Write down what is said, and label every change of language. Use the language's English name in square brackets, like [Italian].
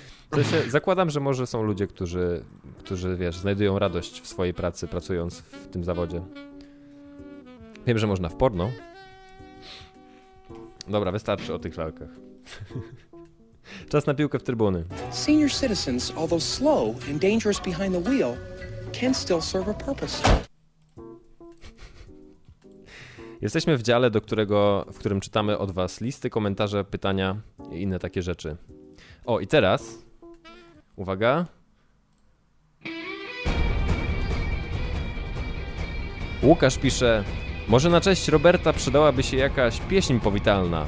[Polish] To się, zakładam, że może są ludzie, którzy, wiesz, znajdują radość w swojej pracy, pracując w tym zawodzie. Wiem, że można w porno. Dobra, wystarczy o tych lalkach. Czas na piłkę w trybuny. [English] Senior citizens, although slow and dangerous behind the wheel, can still serve a purpose. [Polish] Jesteśmy w dziale, w którym czytamy od was listy, komentarze, pytania i inne takie rzeczy. O, i teraz uwaga. Łukasz pisze: może na cześć Roberta przydałaby się jakaś pieśń powitalna.